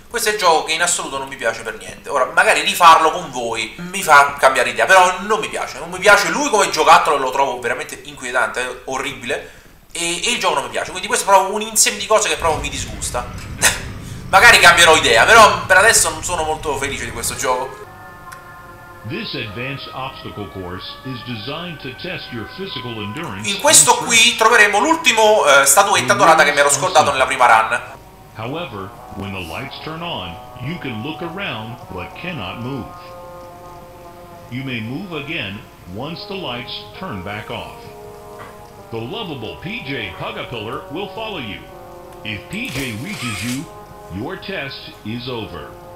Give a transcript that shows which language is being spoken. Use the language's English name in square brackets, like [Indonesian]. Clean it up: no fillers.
[Italian] Questo è il gioco che in assoluto non mi piace per niente. Ora, magari rifarlo con voi mi fa cambiare idea, però non mi piace. Non mi piace lui come giocattolo, lo trovo veramente inquietante, orribile. E il gioco non mi piace. Quindi questo è proprio un insieme di cose che proprio mi disgusta. Magari cambierò idea, però per adesso non sono molto felice di questo gioco. [English] This advanced obstacle course is designed to test your physical endurance. [Italian] In questo qui troveremo l'ultimo statuetta dorata che mi ero scordato nella prima run. [English] However, when the lights turn on, you can look around but cannot move. You may move again once the lights turn back off. The lovable PJ Pugapillar will follow you. If PJ reaches you, your test is over.